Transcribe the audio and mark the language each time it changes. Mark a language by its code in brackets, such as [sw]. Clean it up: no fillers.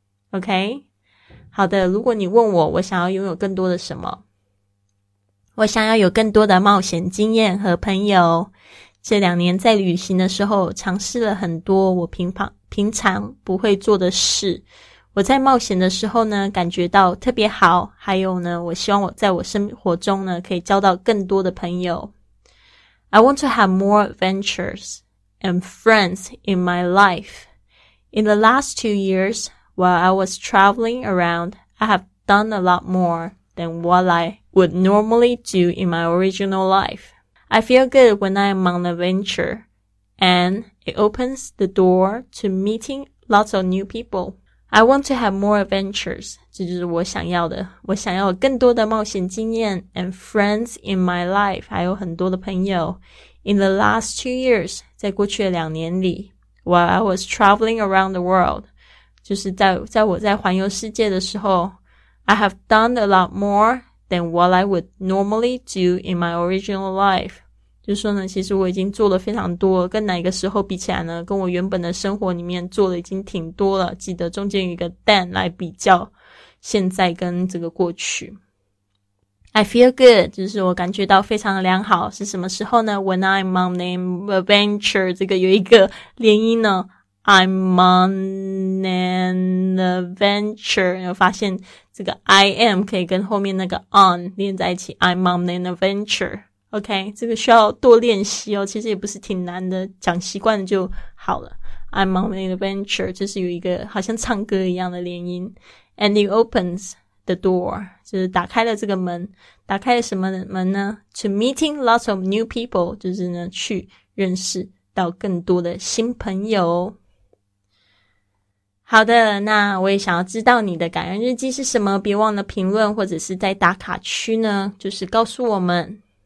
[zh] OK，好的，如果你问我，我想要拥有更多的什么？我想要有更多的冒险经验和朋友。这两年在旅行的时候，尝试了很多我平常不会做的事。我在冒险的时候呢，感觉到特别好。还有呢，我希望我在我生活中呢，可以交到更多的朋友。 [en] I want to have more adventures and friends in my life. In the last 2 years,While I was traveling around, I have done a lot more than what I would normally do in my original life. I feel good when I am on an adventure, and it opens the door to meeting lots of new people. I want to have more adventures. [zh] 这就是我想要的。我想要更多的冒险经验 [en] and friends in my life. [zh] 还有很多的朋友。 [en] In the last 2 years, [zh] 在过去的两年里 [en] while I was traveling around the world, [zh] 就是在我在环游世界的时候 [en] I have done a lot more than what I would normally do in my original life. [zh] 就是说呢，其实我已经做了非常多，跟哪个时候比起来呢，跟我原本的生活里面做的已经挺多了。记得中间有一个 than 来比较现在跟这个过去。 [en] I feel good, [zh] 就是我感觉到非常的良好。是什么时候呢？ [en] When I'm on an adventure, [zh] 这个有一个连音呢， [en] I'm on an adventure. [zh] 有发现这个 I am 可以跟后面那个 on 连在一起。 [en] I'm on an adventure. [zh] OK, 这个需要多练习哦，其实也不是挺难的，讲习惯就好了。 [en] I'm on an adventure, [zh] 就是有一个好像唱歌一样的连音。 [en] And it opens the door, [zh] 就是打开了这个门。打开了什么门呢？ [en] To meeting lots of new people, [zh] 就是呢去认识到更多的新朋友。好的，那我也想要知道你的感恩日记是什么，别忘了评论或者是在打卡区呢就是告诉我们。